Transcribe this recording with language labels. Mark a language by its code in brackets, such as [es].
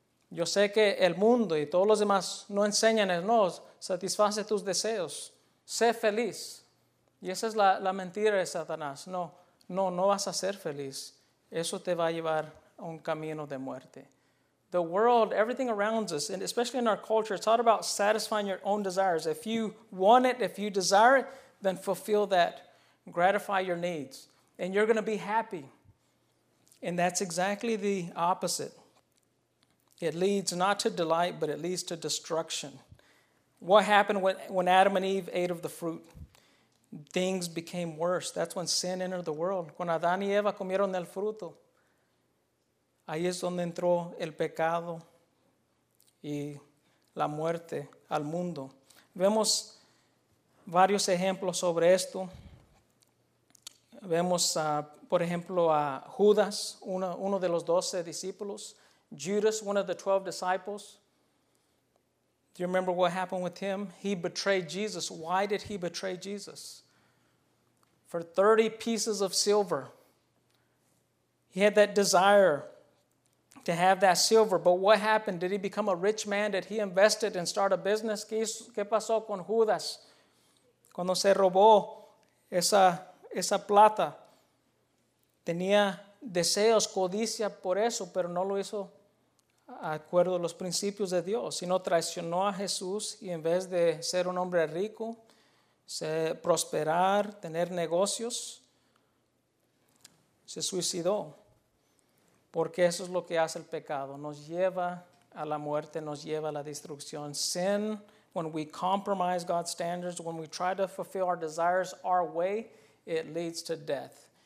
[es] Yo sé que el mundo y todos los demás no enseñan eso. No, satisface tus deseos. Sé feliz. Y esa es la mentira de Satanás. No vas a ser feliz. Eso te va a llevar a un camino de muerte. [en] The world, everything around us, and especially in our culture, it's all about satisfying your own desires. If you want it, if you desire it, then fulfill that. Gratify your needs. And you're going to be happy. And that's exactly the opposite. It leads not to delight, but it leads to destruction. What happened when Adam and Eve ate of the fruit? Things became worse. That's when sin entered the world. [es] Cuando Adán y Eva comieron del fruto, ahí es donde entró el pecado y la muerte al mundo. Vemos varios ejemplos sobre esto. Vemos, por ejemplo, a Judas, uno de los 12 discípulos. [en] Judas, one of the 12 disciples. Do you remember what happened with him? He betrayed Jesus. Why did he betray Jesus? For 30 pieces of silver. He had that desire to have that silver. But what happened? Did he become a rich man? Did he invest it and start a business? [es] ¿Qué pasó con Judas? Cuando se robó esa plata, tenía deseos, codicia por eso, pero no lo hizo de acuerdo a los principios de Dios, sino traicionó a Jesús y en vez de ser un hombre rico, prosperar, tener negocios, se suicidó. Porque eso es lo que hace el pecado, nos lleva a la muerte, nos lleva a la destrucción. [en] Sin, when we compromise God's standards, when we try to fulfill our desires our way, it leads to death.